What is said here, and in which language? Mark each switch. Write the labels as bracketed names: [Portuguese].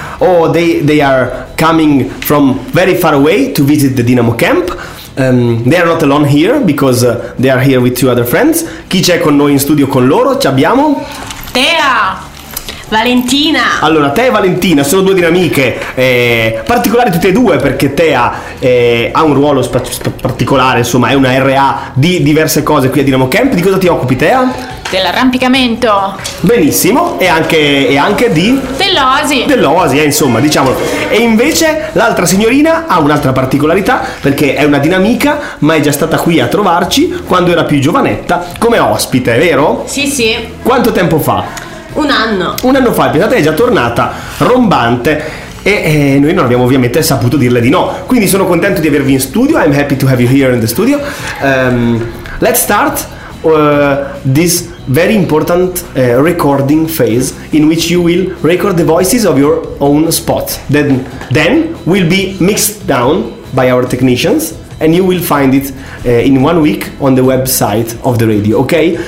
[English] Oh, they are coming from very far away to visit the Dinamo camp. They are not alone here because they are here with two other friends. [Italian] Chi c'è con noi in studio con loro? Ci abbiamo Thea, Valentina. Allora, Thea e Valentina sono due dinamiche particolari tutte e due, perché Thea ha un ruolo particolare, insomma è una RA di diverse cose qui a Dinamo Camp. Di cosa ti occupi, Thea? Dell'arrampicamento. Benissimo. E anche di? Dell'oasi. Dell'oasi, insomma, diciamolo. E invece l'altra signorina ha un'altra particolarità, perché è una dinamica, ma è già stata qui a trovarci quando era più giovanetta come ospite, vero? Sì, sì. Quanto tempo fa? Un anno. Un anno fa, pensate, è già tornata rombante. E noi non abbiamo ovviamente saputo dirle di no. Quindi sono contento di avervi in studio. [English] I'm happy to have you here in the studio. Let's start this very important recording phase, in which you will record the voices of your own spot. Then will be mixed down by our technicians, and you will find it in 1 week on the website of the radio. Okay?